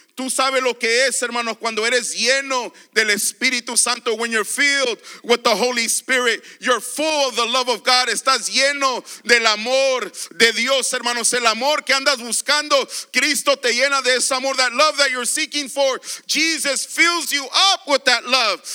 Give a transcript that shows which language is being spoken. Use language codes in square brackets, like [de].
[es] Tú sabes lo que es, hermano, cuando eres lleno del Espíritu Santo. [en] When you're filled with the Holy Spirit, you're full of the love of God. [es] Estás lleno del amor de Dios, hermanos. El amor que andas buscando, Cristo te llena de ese amor. [en] That love that you're seeking for, Jesus fills you up with that love.